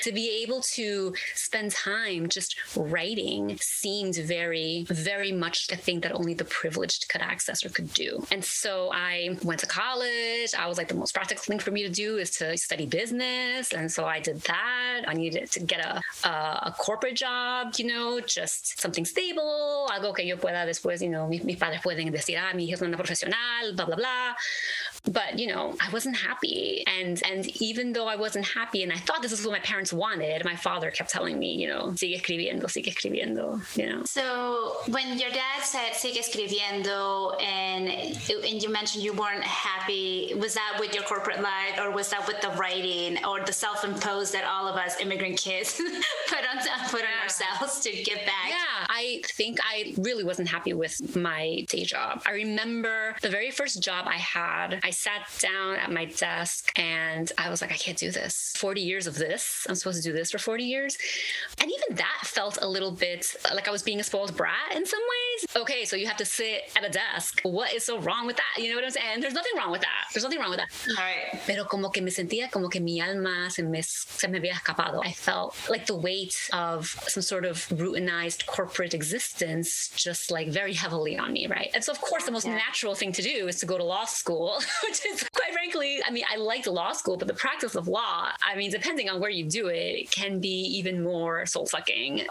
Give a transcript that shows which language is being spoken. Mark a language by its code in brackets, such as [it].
[en] To be able to spend time just writing seemed very, very much a thing that only the privileged could access or could do. And so I went to college. I was like, the most practical thing for me to do is to study business. And so I did that. I needed to get a corporate job, you know, just something stable. [es] Algo que yo pueda después, [en] you know, [es] mis padres pueden decir, ah, mi hijo es una profesional, blah, blah, blah. [en] But, you know, I wasn't happy. And even though I wasn't happy, and I thought this is what my parents wanted, my father kept telling me, you know, [es] sigue escribiendo, [en] you know. So when your dad said, [es] sigue escribiendo, [en] and you mentioned you weren't happy, was that with your corporate life, or was that with the writing, or the self-imposed that all of us immigrant kids put on ourselves to give back? Yeah, I think I really wasn't happy with my day job. I remember the very first job I had, I sat down at my desk and I was like, I can't do this. 40 years of this. I'm supposed to do this for 40 years. And even that felt a little bit like I was being a spoiled brat in some ways. Okay, so you have to sit at a desk. What is so wrong with that? You know what I'm saying? There's nothing wrong with that. There's nothing wrong with that. All right. [es] Pero como que me sentía como que mi alma se me había escapado. [en] I felt like the weight of some sort of routinized corporate existence just like very heavily on me, right? And so of course, the most natural thing to do is to go to law school. Which is, quite frankly, I mean, I liked law school, but the practice of law, I mean, depending on where you do it, can be even more soul-sucking.